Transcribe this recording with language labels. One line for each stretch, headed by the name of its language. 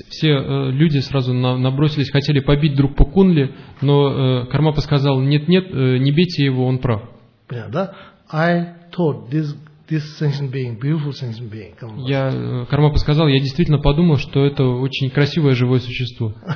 Russian: Все люди сразу набросились, хотели побить Друкпа Кунли, но Кармапа сказал: нет, не бейте его, он прав. Понятно, да?
English: I thought this sentient being, beautiful sentient being.
Russian: Я Кармапа сказал, я действительно подумал, что это очень красивое живое существо.